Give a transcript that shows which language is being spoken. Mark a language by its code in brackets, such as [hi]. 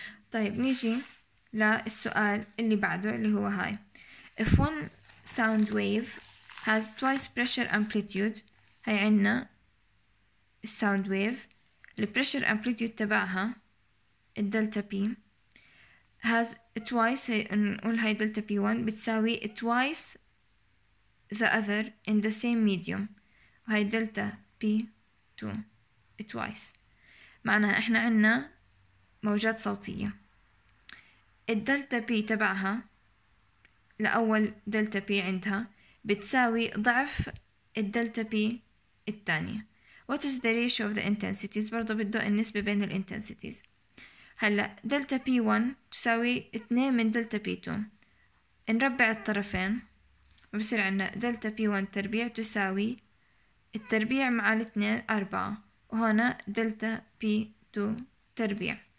[ar] طيب نيجي للسؤال اللي بعده اللي هو هاي [en] if one sound wave has twice pressure amplitude. [ar] هاي عنا الساوند ويف البريشر امبليتيود تبعها الدلتا بي [en] has twice, [ar] هي نقول هاي دلتا بي 1 بتساوي [en] twice the other in the same medium, [ar] وهي دلتا بي 2 twice. معناها احنا عنا موجات صوتية, الدلتا بي تبعها لأول دلتا بي عندها بتساوي ضعف الدلتا بي الثانية. [en] What is the ratio of the intensities؟ [ar] برضو بده النسبة بين ال [en] intensities. [ar] هلأ دلتا بي 1 تساوي 2 من دلتا بي 2, نربع الطرفين وبصير عنا دلتا بي 1 تربيع تساوي التربيع مع الاثنين 4, وهنا دلتا بي 2 تربيع.